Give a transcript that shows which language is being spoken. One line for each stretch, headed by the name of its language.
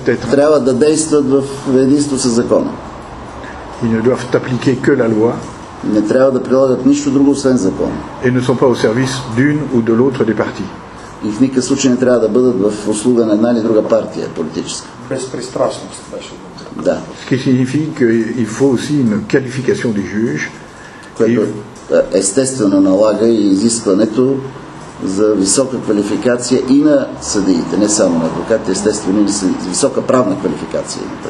Bulgarian: трябва да действат в единство с закона.
French: Ils ne doivent appliquer que la loi.
Bulgarian: Не трябва да прилагат нищо друго освен закона.
French: Et ne sont pas au service d'une ou de l'autre des parties.
Bulgarian: И в никакъв случай не трябва да бъдат в услуга на една или друга партия политическа. Безпристрастност. Да.
French: Ce qui signifie qu'il faut aussi une qualification des juges.
Bulgarian: Което естествено налага и изискването за висока квалификация и на съдиите, не само на адвокатите, естествено, и за висока правна квалификация.